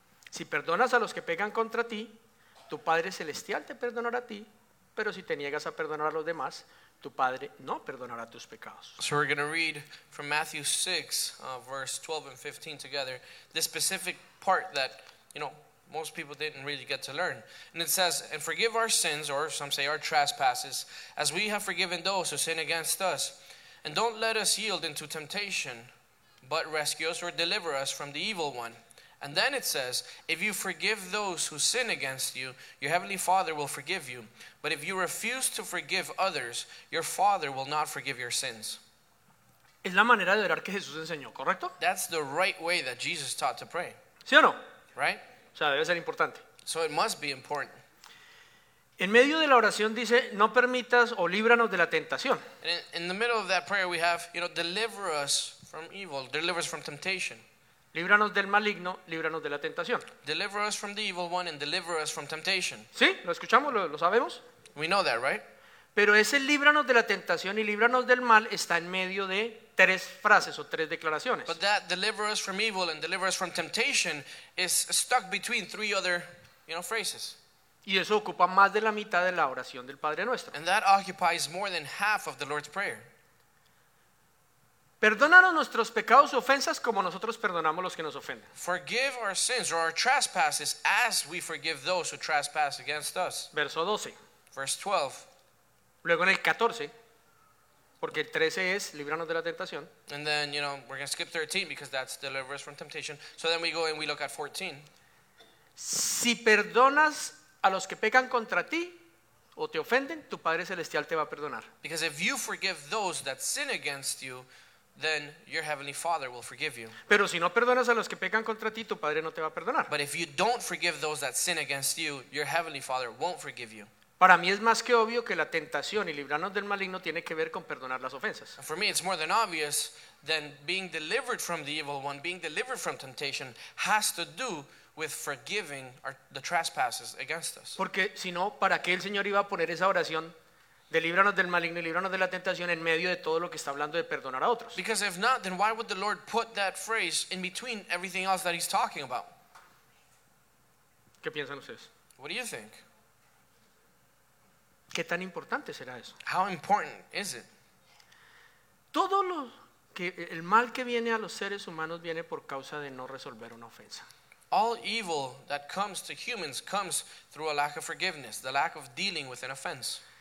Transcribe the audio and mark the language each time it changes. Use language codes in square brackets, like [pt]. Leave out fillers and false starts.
[es] Si perdonas a los que pecan contra ti, tu Padre Celestial te perdonará a ti, pero si te niegas a perdonar a los demás, tu padre no perdonará tus pecados. [en] So we're going to read from Matthew 6, verse 12 and 15 together, this specific part that, you know, most people didn't really get to learn. And it says, and forgive our sins, or some say our trespasses, as we have forgiven those who sin against us. And don't let us yield into temptation, but rescue us or deliver us from the evil one. And then it says, if you forgive those who sin against you, your heavenly Father will forgive you. But if you refuse to forgive others, your Father will not forgive your sins. [es] Es la manera de orar que Jesús enseñó, ¿correcto? [en] That's the right way that Jesus taught to pray. [es] ¿Sí o no? [en] Right? [es] O sea, debe ser importante. [en] So it must be important. [es] En medio de la oración dice, no permitas o líbranos de la tentación. [en] In the middle of that prayer we have, you know, deliver us from evil, deliver us from temptation. [es] Líbranos del maligno, líbranos de la tentación. [en] Deliver us from the evil one and deliver us from temptation. [es] ¿Sí? ¿Lo escuchamos? ¿Lo sabemos? [en] We know that, right? [es] Pero ese líbranos de la tentación y líbranos del mal está en medio de tres frases o tres declaraciones. [en] But that deliver us from evil and deliver us from temptation is stuck between three other, you know, phrases. [es] Y eso ocupa más de la mitad de la oración del Padre Nuestro. [en] And that occupies more than half of the Lord's Prayer. [es] Perdónanos nuestros pecados o ofensas como nosotros perdonamos los que nos ofenden. [en] Forgive our sins or our trespasses as we forgive those who trespass against us. [es] Verso 12. [en] Verse 12. [es] Luego en el 14, porque el 13 es líbranos de la tentación. [en] And then, you know, we're going to skip 13 because that's deliver us from temptation. So then we go and we look at 14. [es] Si perdonas A los que pecan contra ti o te ofenden, tu Padre Celestial te va a perdonar. [en] Because if you forgive those that sin against you, then your Heavenly Father will forgive you. [es] Pero si no perdonas a los que pecan contra ti, tu Padre no te va a perdonar. [en] But if you don't forgive those that sin against you, your Heavenly Father won't forgive you. [es] Para mí es más que obvio que la tentación y librarnos del maligno tiene que ver con perdonar las ofensas. [en] For me, it's more than obvious than being delivered from the evil one, being delivered from temptation, has to do with forgiving the trespasses against us. [es] Porque si no, ¿para qué el Señor iba a poner esa oración? Delíbranos del maligno y líbranos de la tentación en medio de todo lo que está hablando de perdonar a otros. [en] Because if not, then why would the Lord put that phrase in between everything else that he's talking about? [es] ¿Qué piensan ustedes? [en] What do you think? [es] ¿Qué tan importante será eso? [en] How important is it? [es] Todo lo que el mal que viene a los seres humanos viene por causa de no resolver una ofensa. [en] All evil that comes to humans comes through a lack of forgiveness, the lack of dealing with an offense.